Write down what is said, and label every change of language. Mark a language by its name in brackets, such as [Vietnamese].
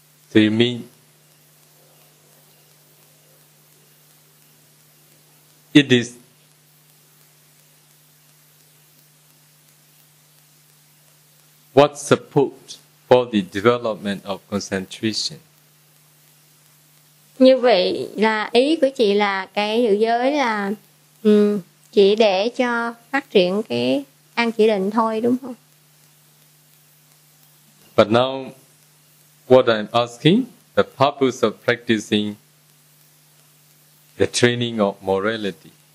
[English] So you mean it is what support for the development of concentration? [Vietnamese] Như vậy là ý của chị là cái giữ giới là chỉ để cho phát triển cái an chỉ định thôi, đúng không? [English] But now what I'm asking, the purpose of practicing the training of morality.